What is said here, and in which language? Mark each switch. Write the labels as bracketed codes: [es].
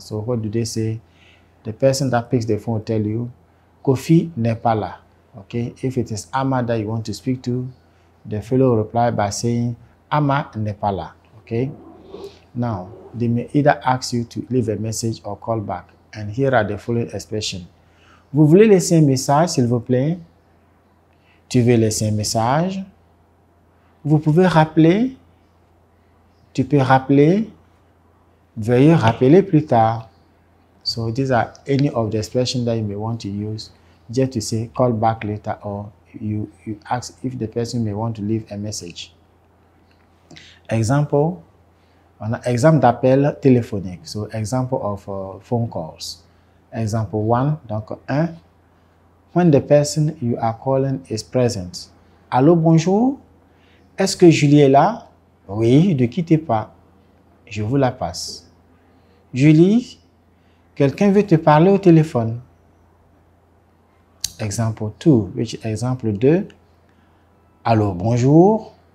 [en] So what do they say? The person that picks the phone will tell you, [fr] Kofi n'est pas là. [en] Okay, if it is Ama that you want to speak to, the fellow will reply by saying, [fr] Ama n'est pas là. [en] Okay, now they may either ask you to leave a message or call back. And here are the following expressions. [fr] Vous voulez laisser un message, s'il vous plaît? Tu veux laisser un message? Vous pouvez rappeler? Tu peux rappeler? Veuillez rappeler plus tard. [en] So these are any of the expressions that you may want to use just to say call back later, or you ask if the person may want to leave a message. [fr] Example, on an exemple d'appel téléphonique. [en] So example of phone calls. Example one, [fr] donc un, [en] when the person you are calling is present. [fr] Allô, bonjour, est-ce que Julie est là? Oui, ne quittez pas, je vous la passe. Julie, quelqu'un veut te parler au téléphone. [en] Example 2, which is example 2. [fr] Allô, bonjour.